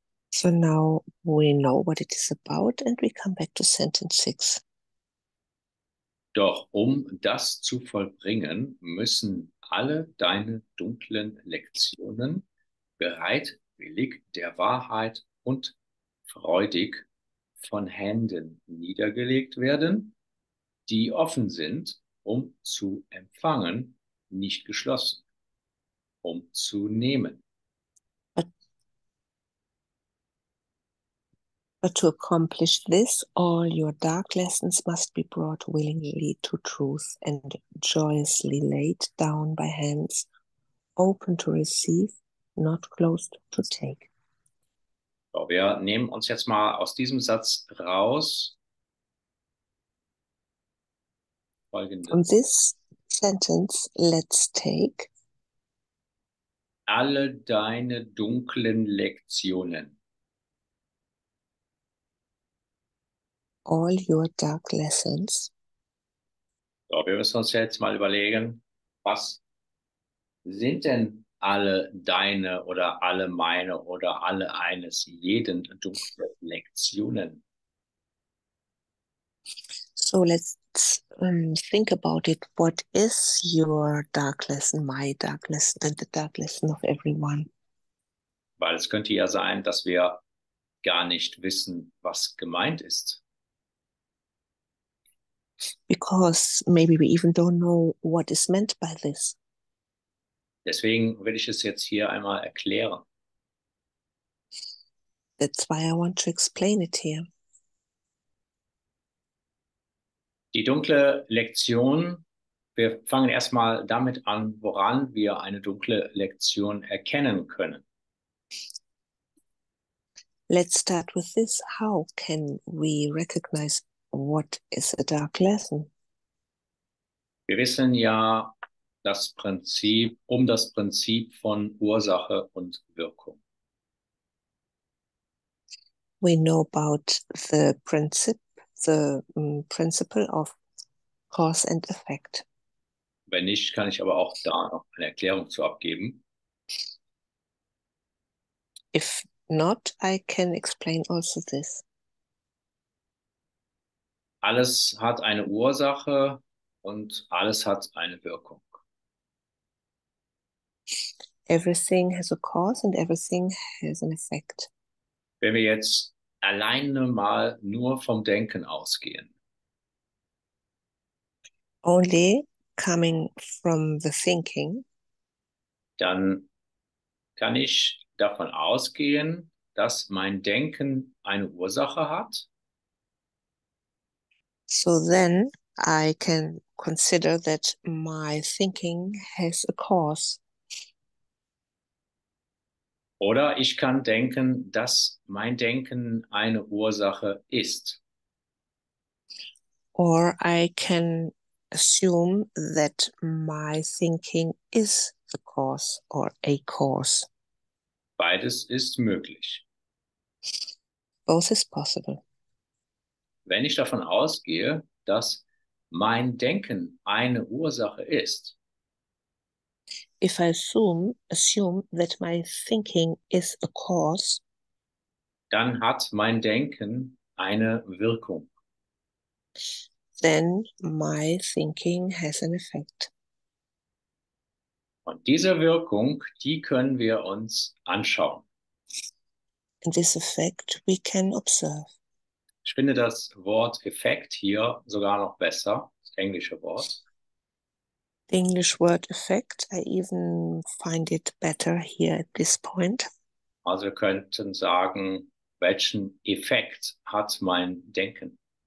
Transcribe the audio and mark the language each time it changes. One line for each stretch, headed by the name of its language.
English: So now we know what it is about and we come back to sentence 6.
German: Doch um das zu vollbringen, müssen alle deine dunklen Lektionen bereitwillig der Wahrheit und freudig von Händen niedergelegt werden, die offen sind, um zu empfangen, nicht geschlossen, um zu nehmen.
English: But to accomplish this, all your dark lessons must be brought willingly to truth and joyously laid down by hands, open to receive, not closed to take.
German: Wir nehmen uns jetzt mal aus diesem Satz raus. Folgendes.
English: From this sentence, let's take.
German: Alle deine dunklen Lektionen.
English: All your dark lessons.
German: So, wir müssen uns jetzt mal überlegen, was sind denn alle deine oder alle meine oder alle eines jeden dunkle Lektionen.
English: So let's think about it. What is your dark lesson, my dark lesson and the dark lesson of everyone?
German: Weil es könnte ja sein, dass wir gar nicht wissen, was gemeint ist.
English: Because maybe we even don't know what is meant by this.
German: Deswegen will ich es jetzt hier einmal erklären.
English: That's why I want to explain it here.
German: Die dunkle Lektion, wir fangen erstmal damit an, woran wir eine dunkle Lektion erkennen können.
English: Let's start with this. How can we recognize what is a dark lesson?
German: Wir wissen ja, das Prinzip, um das Prinzip von Ursache und Wirkung.
English: we know about the principle of cause and effect.
German: Wenn nicht, kann ich aber auch da noch eine Erklärung zu abgeben.
English: If not, I can explain also this.
German: Alles hat eine Ursache und alles hat eine Wirkung.
English: Everything has a cause and everything has an effect.
German: Wenn wir jetzt alleine mal nur vom Denken ausgehen.
English: Only coming from the thinking.
German: Dann kann ich davon ausgehen, dass mein Denken eine Ursache hat.
English: So then I can consider that my thinking has a cause.
German: Oder ich kann denken, dass mein Denken eine Ursache ist.
English: Or I can assume that my thinking is the cause or a cause.
German: Beides ist möglich.
English: Both is possible.
German: Wenn ich davon ausgehe, dass mein Denken eine Ursache ist,
English: if I assume that my thinking is a cause,
German: dann hat mein Denken eine Wirkung.
English: Then my thinking has an effect.
German: Und diese Wirkung, die können wir uns anschauen.
English: And this effect we can observe.
German: Ich finde das Wort Effekt hier sogar noch besser, das englische Wort.
English: The English word effect, I even find it better here at this point.
German: Also wir könnten sagen, welchen Effekt hat mein Denken?